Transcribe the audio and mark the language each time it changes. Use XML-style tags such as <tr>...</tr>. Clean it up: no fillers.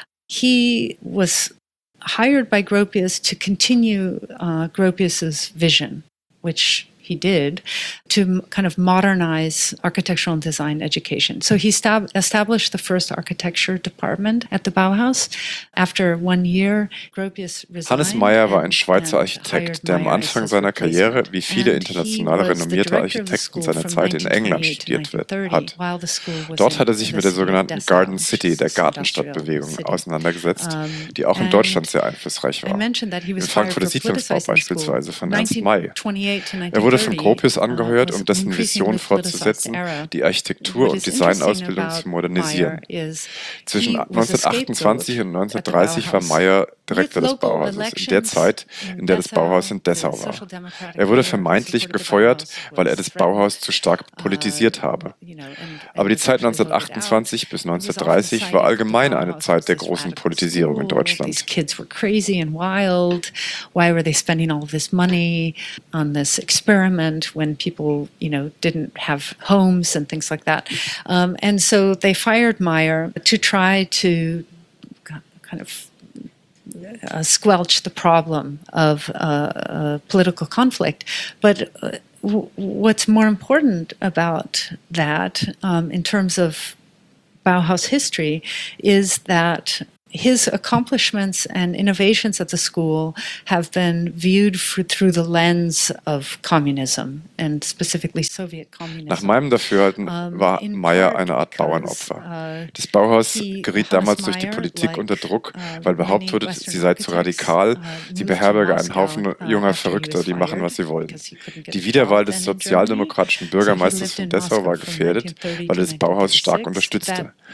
<en>He was hired by Gropius to continue Gropius's vision, which he did, to kind of modernize architectural and design education. So he established the first architecture department at the Bauhaus. After 1 year, Gropius resigned.</en> <de>Hannes Meyer war ein Schweizer Architekt, der am Anfang seiner Karriere, wie viele internationale renommierte Architekten seiner Zeit in England studiert hat. Dort hat er sich mit der sogenannten Garden City, der Gartenstadtbewegung, auseinandergesetzt, die auch in Deutschland sehr einflussreich war. Im Frankfurter Siedlungsbau beispielsweise von Ernst May. Er wurde von Gropius angeheuert, um dessen Vision fortzusetzen, die Architektur- und Designausbildung zu modernisieren. Zwischen 1928 und 1930 war Meyer Direktor des Bauhauses, in der Zeit, in der das Bauhaus in Dessau war. Er wurde vermeintlich gefeuert, weil er das Bauhaus zu stark politisiert habe. Aber die Zeit 1928 bis 1930 war allgemein eine Zeit der großen Politisierung in Deutschland.</de> <en>These kids were crazy and wild. Why were they spending all this money on this experiment when people, you know, didn't have homes and things like that? And so they fired Meyer to try to kind of squelch the problem of political conflict. But what's more important about that in terms of Bauhaus history is that his accomplishments and innovations at the school have been viewed through the lens of communism and specifically Soviet communism.</en> <de>Nach meinem Dafürhalten war Meyer eine Art Bauernopfer. Das Bauhaus geriet damals durch die Politik unter Druck, weil behauptet wurde, sie sei zu radikal, sie beherberge einen Haufen junger Verrückter, die machen, was sie wollen. Die Wiederwahl des sozialdemokratischen Bürgermeisters von Dessau war gefährdet, weil er das Bauhaus stark unterstützte.</de>